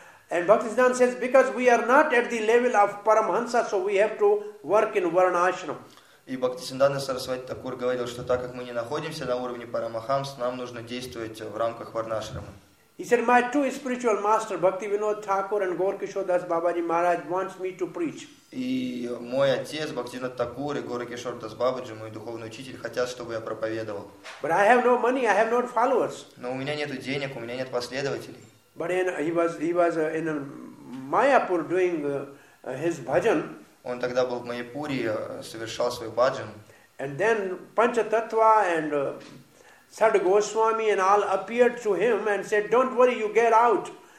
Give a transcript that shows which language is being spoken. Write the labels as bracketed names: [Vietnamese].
[English] And Bhaktisiddhanta says, because we are not at the level of Paramahansa, so we have to work in Varnashram. [Russian] И Бхактисиддханта Сарасвати Такур говорил, что так как мы не находимся на уровне Парамахамс, нам нужно действовать в рамках Варнашрама. [English] He said, my two spiritual masters, Bhaktivinoda Thakur and Gaurakishore Das Babaji Maharaj, wants me to preach. [Russian] И мой отец, Бхактивинода Такур и Гаурикишор Дас Бабаджи, мой духовный учитель, хотят, чтобы я проповедовал. [English] But I have no money, I have no followers. [Russian] Но у меня нет денег, у меня нет последователей. [English] But he was in Mayapur doing his bhajan. [Russian] Он тогда был в Майяпуре, совершал свой бхаджан. [English] And then Panchatattva and Sad Goswami and all appeared to him and said, don't worry, you get out.